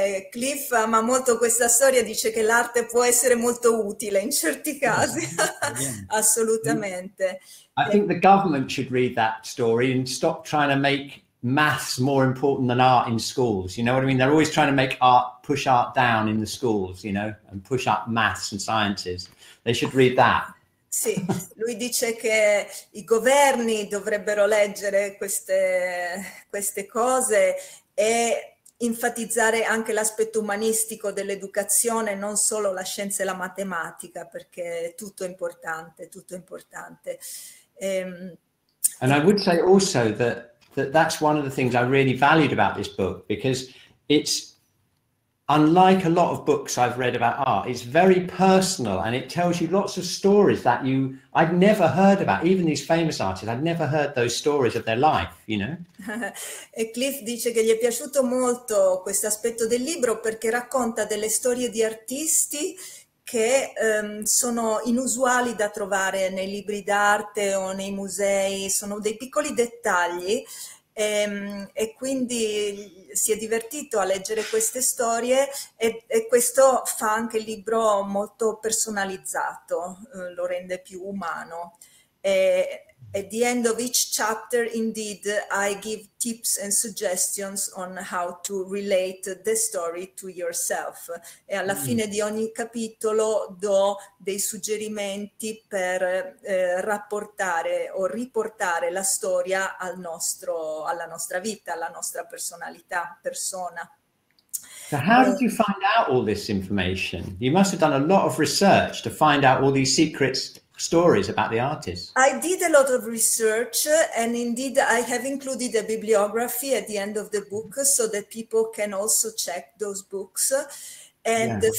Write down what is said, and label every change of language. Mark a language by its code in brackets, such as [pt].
[it] Cliff ama molto questa storia, dice che l'arte può essere molto utile in certi casi. Assolutamente. [en] I think the government should read that story and stop trying to make maths more important than art in schools. You know what I mean? They're always trying to make art, push art down in the schools, you know, and push up maths and sciences. They should read that. [it] Sì, lui dice che i governi dovrebbero leggere queste cose e enfatizzare anche l'aspetto umanistico dell'educazione, non solo la scienza e la matematica, perché tutto è importante. [en] And I would say also that's one of the things I really valued about this book, because it's unlike a lot of books I've read about art, it's very personal and it tells you lots of stories that I'd never heard about, even these famous artists, I'd never heard those stories of their life, you know? [it] E Cliff dice che gli è piaciuto molto questo aspetto del libro perché racconta delle storie di artisti che sono inusuali da trovare nei libri d'arte o nei musei, sono dei piccoli dettagli. E quindi si è divertito a leggere queste storie e questo fa anche il libro molto personalizzato, lo rende più umano. [en] At the end of each chapter, indeed, I give tips and suggestions on how to relate the story to yourself. [it] E alla fine di ogni capitolo do dei suggerimenti per rapportare o riportare la storia alla nostra vita, alla nostra personalità, persona. [en] So how did you find out all this information? You must have done a lot of research to find out all these secrets stories about the artist. I did a lot of research, and indeed I have included a bibliography at the end of the book so that people can also check those books. And yeah.